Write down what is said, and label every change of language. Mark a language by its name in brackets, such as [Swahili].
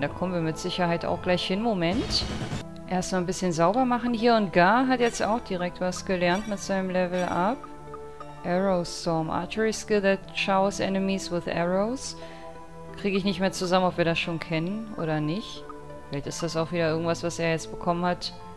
[German] Da kommen wir mit Sicherheit auch gleich hin. Moment. Erstmal ein bisschen sauber machen hier. Und Gar hat jetzt auch direkt was gelernt mit seinem Level Up. [English] Arrowstorm. Archery Skill that showers enemies with arrows. [German] Kriege ich nicht mehr zusammen, ob wir das schon kennen oder nicht. Vielleicht ist das auch wieder irgendwas, was er jetzt bekommen hat.